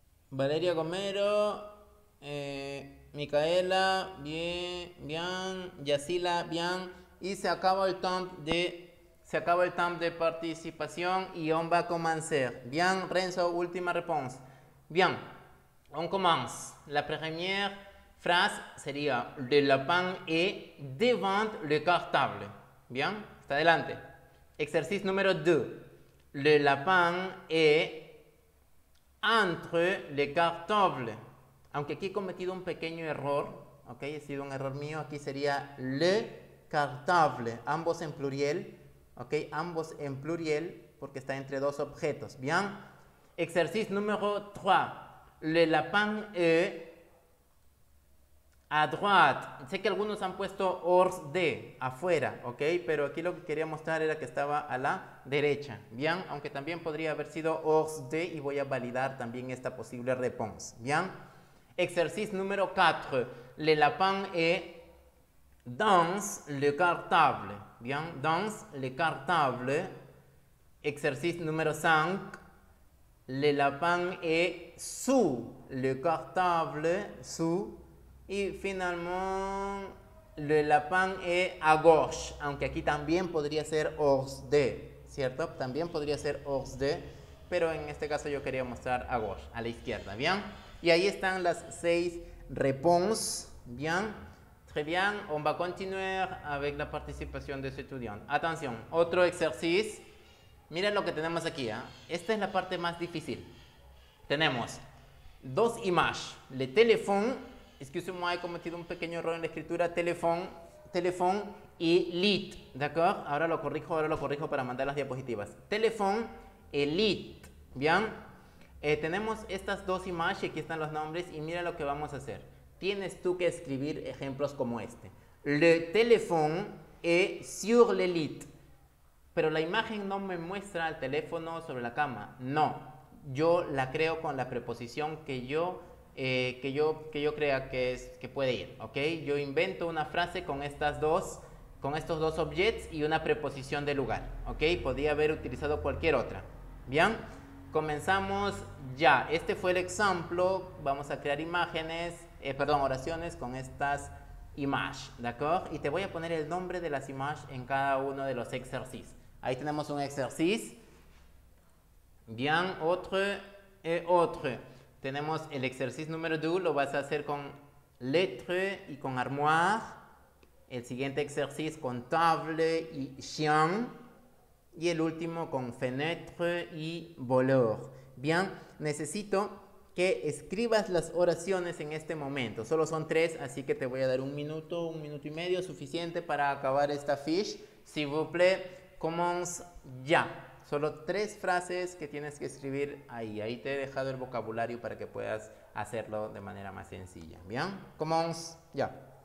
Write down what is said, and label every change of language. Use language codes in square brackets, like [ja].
[es] Valeria Gomero, Micaela, bien. Yacila, bien. Y se acaba el tiempo de participación y [fr] on va [es] a comenzar. Bien, Renzo, última respuesta. [fr] Bien, on commence. [es] La primera frase sería: [fr] Le lapin est devant le cartable. [es] Bien, está adelante. Ejercicio número 2. [fr] Le lapin est entre les cartables. [es] Aunque aquí he cometido un pequeño error, ok, ha sido un error mío, aquí sería le cartable, ambos en plural, ok, ambos en plural, porque está entre dos objetos, bien. Ejercicio número 3. [fr] Le lapin est A droite. [es] Sé que algunos han puesto hors de, afuera, ¿ok? Pero aquí lo que quería mostrar era que estaba a la derecha, ¿bien? Aunque también podría haber sido hors de y voy a validar también esta posible réponse, ¿bien? Exercice número 4. [fr] Le lapin est dans le cartable, ¿bien? Dans le cartable. Exercice número 5. Le lapin est sous le cartable, sous. [es] Y finalmente, [fr] le lapin est à gauche, [es] aunque aquí también podría ser hors de, ¿cierto? También podría ser hors de, pero en este caso yo quería mostrar à gauche, a la izquierda, ¿bien? Y ahí están las 6 réponses, ¿bien? [fr] Très bien, on va [es] continuar [fr] avec [es] la participación [fr] de ce étudiant. [es] Atención, otro ejercicio. Miren lo que tenemos aquí, ¿eh? Esta es la parte más difícil. Tenemos 2 images, le téléphone. [fr] Excusez-moi, [es] he cometido un pequeño error en la escritura. Téléphone y lit, ¿d'accord? Ahora lo corrijo para mandar las diapositivas. Téléphone y lit, ¿bien? Tenemos estas 2 imágenes, aquí están los nombres, y mira lo que vamos a hacer. Tienes tú que escribir ejemplos como este. [fr] Le téléphone est sur le lit. [es] Pero la imagen no me muestra el teléfono sobre la cama. No, yo la creo con la preposición que yo... Que yo crea que es que puede ir, ¿ok? Yo invento una frase con estas dos, con estos dos objects y una preposición de lugar, ¿ok? Podría haber utilizado cualquier otra, ¿bien? Comenzamos ya. Este fue el ejemplo. Vamos a crear imágenes, perdón, oraciones con estas images, ¿d'accord? Y te voy a poner el nombre de las images en cada uno de los exercices. Ahí tenemos un exercice. Bien, otro y otro. Tenemos el ejercicio número 2, lo vas a hacer con lettre y con armoire. El siguiente ejercicio con table y chien. Y el último con fenêtre y voleur. Bien, necesito que escribas las oraciones en este momento. Solo son 3, así que te voy a dar un minuto y medio, suficiente para acabar esta fiche. [fr] S'il vous plaît, commence [es] ya. Solo 3 frases que tienes que escribir ahí. Ahí te he dejado el vocabulario para que puedas hacerlo de manera más sencilla. ¿Bien? [fr] Commence. [es] Ya.